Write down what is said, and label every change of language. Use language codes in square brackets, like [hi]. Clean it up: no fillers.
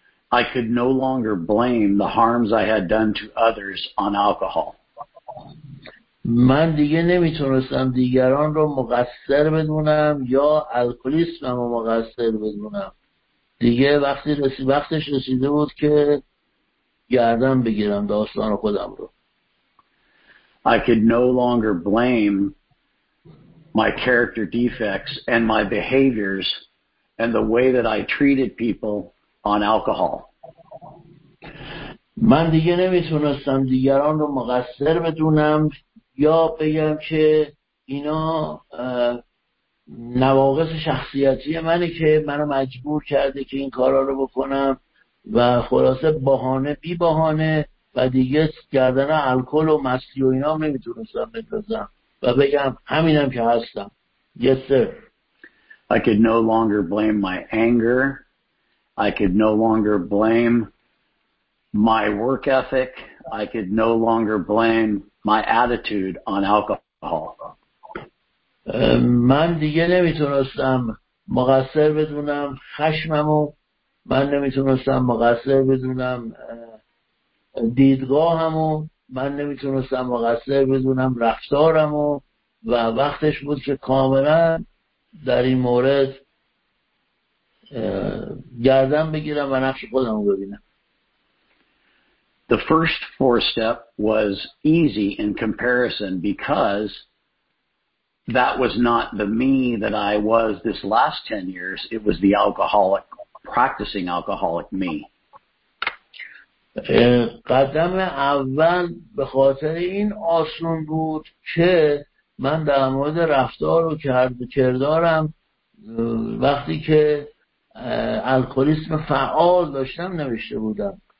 [en] I could no longer blame the harms I had done to others on alcohol. [fa] من دیگه نمیتونستم دیگران رو مقصر بدونم یا الکلیسمم رو مقصر بدونم. دیگه وقتش رسیده بود که گردن بگیرم داستان خودم رو. [en] I could no longer blame my character defects and my behaviors and the way that I treated people on alcohol. [fa] من دیگه نمیتونستم دیگران رو مقصر بدونم یا بگم که اینا نواقص شخصیتی منه که منو مجبور کرده که این کارا رو بکنم و خلاصه بهانه بی بهانه و دیگه گردن الکل و مستی و اینا هم نمیتونستم بندازم و بگم همینم که هستم. [en] Yes sir. I could no longer blame my anger. I could no longer blame my work ethic. I could no longer blame my attitude on alcohol. [fa] من دیگه نمیتونستم مقصر بدونم خشممو، من نمیتونستم مقصر بدونم دیدگاهمو، من نمیتونستم مقصر بدونم رفتارم و وقتش بود که کاملا در این مورد گردن بگیرم و نقش خودم رو ببینم. [en] The first four step was easy in comparison because that was not the me that I was this last 10 years. It was the alcoholic, practicing alcoholic me. [fa] قدم اول به خاطر این آسون بود که من در مورد رفتار و کردارم وقتی که الکلیسم فعال داشتم نوشته بودم.